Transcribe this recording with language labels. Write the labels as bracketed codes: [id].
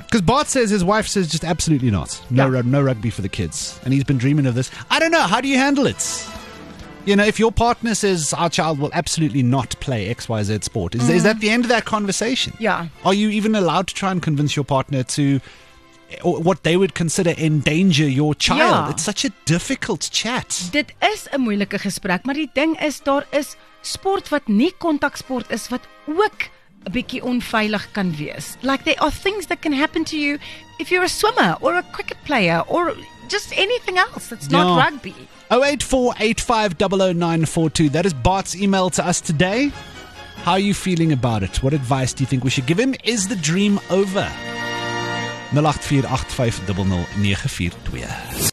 [en] Because Bart says, his wife says, just absolutely not. No rugby for the kids. And he's been dreaming of this. I don't know. How do you handle it? You know, if your partner says, our child will absolutely not play XYZ sport, is that the end of that conversation? Yeah. Are you even allowed to try and convince your partner to, or what they would consider, endanger your child? [af] Ja. [en] It's such a difficult chat. [af] Dit is 'n moeilike gesprek, maar die ding is, daar is sport wat nie kontak sport is, wat ook 'n bietjie onveilig kan wees. [en] Like, there are things that can happen to you if you're a swimmer or a cricket player or just anything else that's not rugby. 0848500942. That is Bart's email to us today. How are you feeling about it? What advice do you think we should give him? Is the dream over? 0848500942.